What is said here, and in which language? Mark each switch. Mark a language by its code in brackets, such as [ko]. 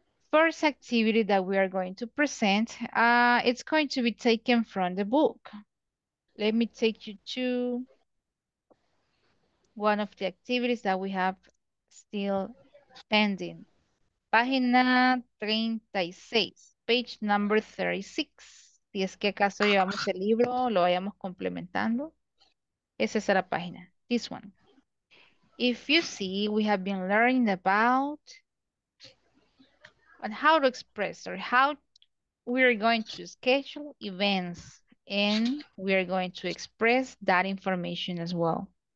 [en] First activity that we are going to present, it's going to be taken from the book. Let me take you to one of the activities that we have still pending. [es] Página 36, [en] page number 36. [es] Si es que acaso llevamos el libro, lo vayamos complementando. Esa es la página, [en] this one. If you see, we have been learning about and how to express or how we are going to schedule events and we are going to express that information as well.